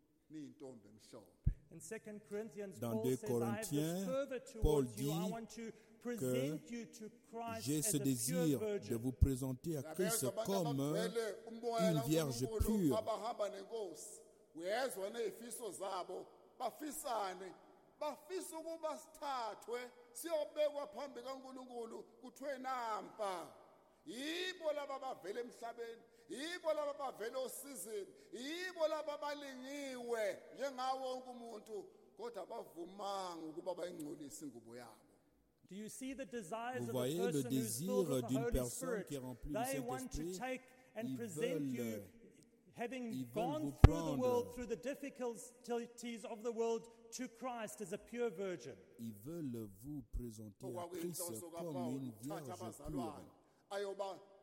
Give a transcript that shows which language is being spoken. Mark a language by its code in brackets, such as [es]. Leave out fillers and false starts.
[en] In 2 Corinthians, Paul says, Corinthiens, I have this fervor towards you, I want to present you to Christ [fr] j'ai ce [en] as a [fr] désir [en] pure virgin. [fr] De vous présenter à Christ comme une vierge pure. [en] Do you see the desires of a person who is filled with the Holy Spirit? They want to take and present you, having gone through the world, through the difficulties of the world, to Christ as a pure virgin. [fr] Ils veulent vous présenter à Christ comme une vierge pure.